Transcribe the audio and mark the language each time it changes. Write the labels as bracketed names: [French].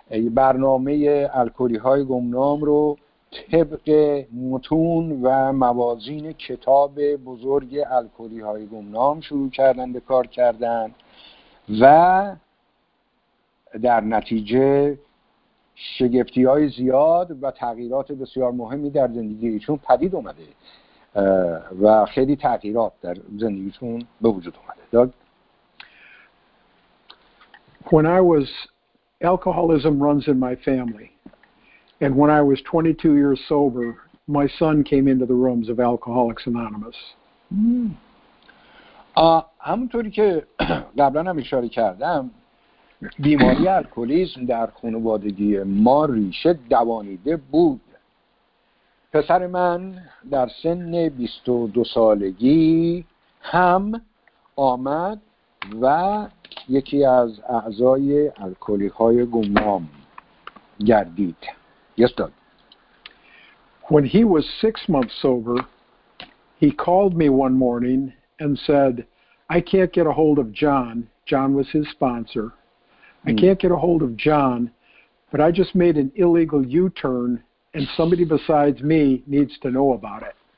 [Persian] برنامه الکلی‌های گمنام رو طبق متون و موازین کتاب بزرگ الکلی‌های گمنام شروع کردن به کار کردن و در نتیجه شگفتی‌های زیاد و تغییرات بسیار مهمی در زندگیشون پدید اومده و خیلی تغییرات در زندگیشون به وجود اومده. [English] When I was alcoholism runs in my family. And when I was 22 years sober, my son came into the rooms of Alcoholics Anonymous. [Persian] همونطوری که قبلا هم اشاره کردم، بیماری الکلیسم در خانوادگی ما ریشه دوانیده بود. پسر من در سن 22 سالگی هم آمد و یکی از اعضای الکلی‌های گمنام گردید. [English] Yes, Doug. When he was 6 months sober, he called me one morning and said, I can't get a hold of John. John was his sponsor. I can't get a hold of John, but I just made an illegal U-turn and somebody besides me needs to know about it.